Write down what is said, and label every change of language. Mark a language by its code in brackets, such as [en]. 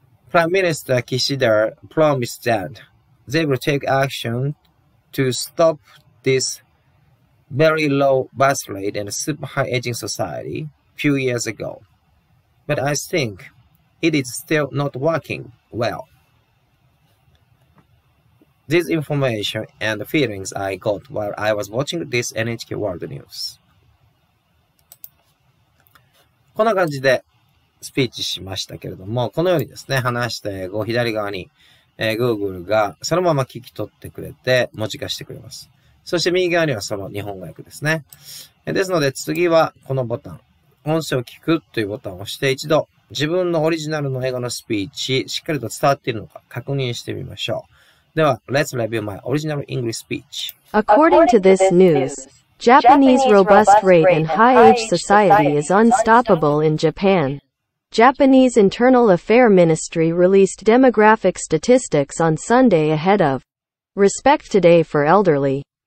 [en] Prime Minister Kishida promised that they will take action to stop thisvery low birth rate and super high aging society few years ago. But I think it is still not working well. This information and the feelings I got while I was watching this NHK World News. [ja] こんな感じでスピーチしましたけれども、このようにですね、話した英語を左側に、Google がそのまま聞き取ってくれて文字化してくれます。そして右側にはその日本語訳ですね。ですので次はこのボタン、音声を聞くというボタンを押して一度自分のオリジナルの英語のスピーチしっかりと伝わっているのか確認してみましょう。では、 [en] Let's review my original English speech. According to this news, Japanese robust rate and high age society is unstoppable in Japan. Japanese Internal Affairs Ministry released demographic statistics on Sunday ahead of Respect Today for Elderly.